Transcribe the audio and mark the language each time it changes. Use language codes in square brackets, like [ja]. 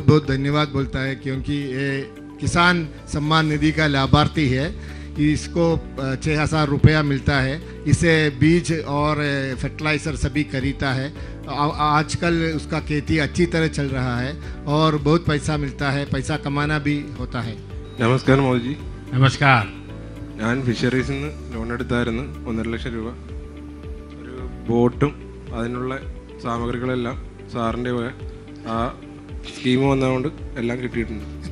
[hi] ധന്യവാദ് ബോൾത്താ ക്യോക്കി കിസാൻ സമ്മാൻ നിധി കാ ലാഭാർത്ഥി ഹേ. इसको 6,000 रुपया मिलता है. इसे बीज और फर्टिलाइजर सभी खरीदता है. आजकल उसका खेती अच्छी तरह चल रहा है और बहुत पैसा मिलता है. पैसा कमाना भी होता है. नमस्कार मोदी जी. नमस्कार. [ml] ഞാൻ ഫിഷറീസിൽ നിന്ന് ലോൺ എടുത്തായിരുന്നു 1,50,000 രൂപ. ഒരു ബോട്ടും അതിനുള്ള സാമഗ്രികളെല്ലാം സാറിൻ്റെ ആ സ്കീം വന്നതുകൊണ്ട് എല്ലാം കിട്ടിയിട്ടുണ്ട്.